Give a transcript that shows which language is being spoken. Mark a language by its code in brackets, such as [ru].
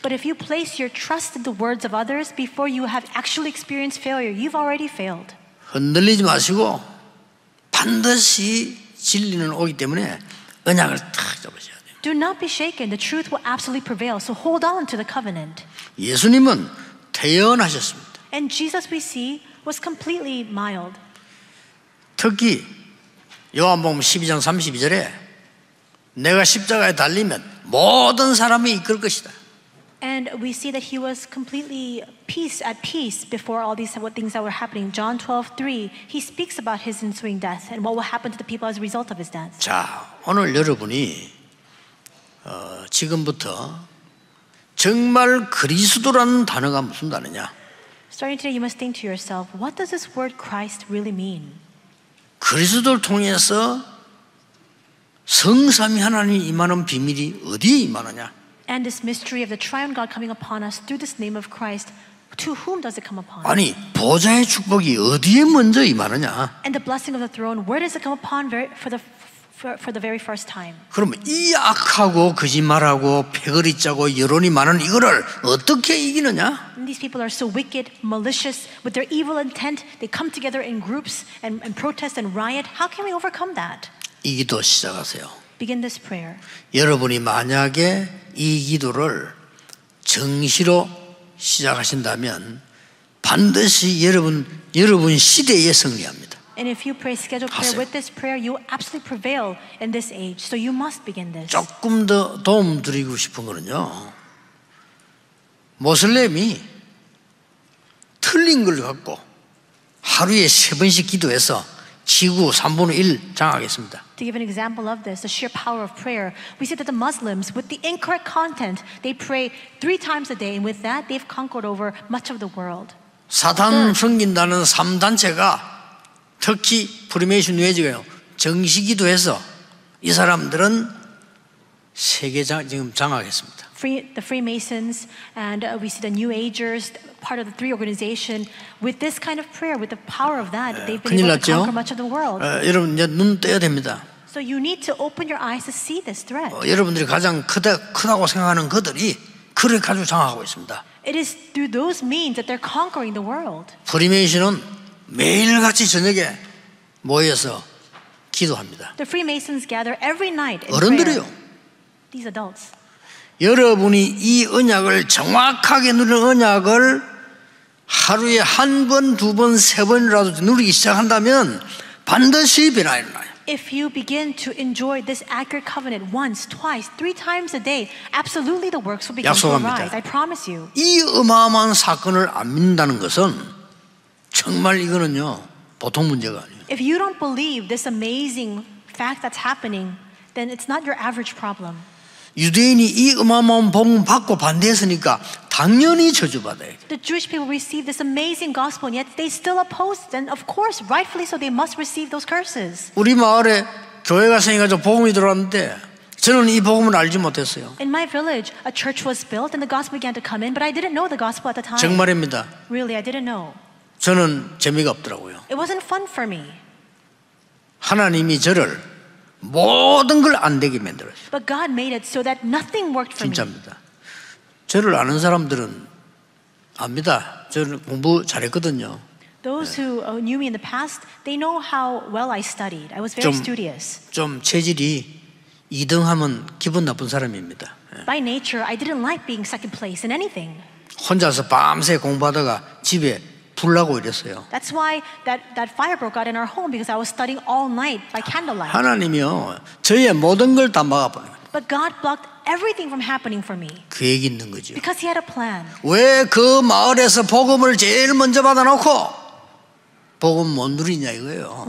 [en] But if you place your trust in the words of others before you have actually experienced failure, you've already failed. [ko] 흔들리지 마시고 반드시 진리는 오기 때문에 언약을 탁 잡으셔야 돼요. [en] Do not be shaken. The truth will absolutely prevail. So hold on to the covenant. [ko] 예수님은 태연하셨습니다. [en] And Jesus, we see, was completely mild. [ko] 특히 요한복음 12장 32절에 내가 십자가에 달리면 모든 사람이 이끌 것이다. [en] And we see that he was completely peace at peace before all these things that were happening. John 12:3, he speaks about his ensuing death and what will happen to the people as a result of his death. [ko] 자, 오늘 여러분이 지금부터 정말 그리스도라는 단어가 무슨 단어냐? [en] Starting today, you must think to yourself, what does this word Christ really mean? [ko] 그리스도를 통해서 성삼위 하나님 임하는 비밀이 어디에 임하느냐? [en] And this mystery of the triune God coming upon us through this name of Christ, to whom does it come upon? [ko] 아니, 보좌의 축복이 어디에 먼저 임하느냐? [en] And the blessing of the throne, where does it come upon for the very first time? [ko] 그럼 이 악하고 거짓말하고 패거리 짜고 여론이 많은 이거를 어떻게 이기느냐? [en] And these people are so wicked, malicious, with their evil intent, they come together in groups and protest and riot. How can we overcome that? [ko] 이 기도 시작하세요. [en] Begin this prayer. [ko] 여러분이 만약에 이 기도를 정시로 시작하신다면 반드시 여러분 시대에 승리합니다. [en] And if you pray scheduled prayer with this prayer, you absolutely prevail in this age. So you must begin this. [ko] 조금 더 도움 드리고 싶은 거는요. 모슬렘이 틀린 걸 갖고 하루에 세 번씩 기도해서 지구 3분의 1 장악했습니다. [en] To give an example of this, the sheer power of prayer, we see that the Muslims, with the incorrect content, they pray three times a day, and with that, they've conquered over much of the world. [ko] 사탄 섬긴다는 3단체가 특히 프리메이션 웨지가요, 정식기도 해서 이 사람들은 세계 지금 장악했습니다. [en] The Freemasons and we see the New Agers, part of the three organization, with this kind of prayer, with the power of that, they've been able to conquer much of the world. [ko] 여러분 이제 눈 떠야 됩니다. [en] So you need to open your eyes to see this threat. [ko] 여러분들이 가장 크다고 생각하는 그들이 그를 가지고 장악하고 있습니다. [en] It is through those means that they're conquering the world. [ko] 프리메이션은 매일같이 저녁에 모여서 기도합니다. [en] The Freemasons gather every night. [ko] 어른들이요. [en] These adults. [ko] 여러분이 이 언약을 정확하게 누리는 언약을 하루에 한 번, 두 번, 세 번이라도 누리기 시작한다면 반드시 변화가 일어나요. [en] If you begin to enjoy this accurate covenant once, twice, three times a day, absolutely the works will begin [ko] 약속합니다. [en] to arise. I promise you. [ko] 이 어마어마한 사건을 안 믿는다는 것은 정말 이거는요 보통 문제가 아니에요. [en] If you don't believe this amazing fact that's happening, then it's not your average problem. [ko] 유대인이 이 어마어마한 복음 받고 반대했으니까 당연히 저주받아요. [en] The Jewish people receive this amazing gospel, and yet they still oppose. Then, of course, rightfully so, they must receive those curses. [ko] 우리 마을에 교회가 생겨서 복음이 들어왔는데 저는 이 복음을 알지 못했어요. [en] In my village, a church was built, and the gospel began to come in, but I didn't know the gospel at the time. [ko] 정말입니다. [en] Really, I didn't know. [ko] 저는 재미가 없더라고요. [en] It wasn't fun for me. [ko] 하나님이 저를 모든 걸 안 되게 만들었어요. [en] But God made it so that nothing worked for me. [ko] 진짜입니다. 저를 아는 사람들은 압니다. 저는 공부 잘했거든요. [en] Those 네. who knew me in the past, they know how well I studied. I was very studious. [ko] 좀 체질이 2등하면 기분 나쁜 사람입니다. [en] 네. By nature, I didn't like being second place in anything. [ko] 혼자서 밤새 공부하다가 집에 불나고 이랬어요. [en] That's why that fire broke out in our home because I was studying all night by candlelight. [ko] 하나님이요, 저의 모든 걸 다 막아버린 거예요. [en] But God blocked everything from happening for me. [ko] 그 얘기 있는 거죠. [en] Because he had a plan. [ko] 왜 그 마을에서 복음을 제일 먼저 받아놓고 복음 못 누리냐 이거예요.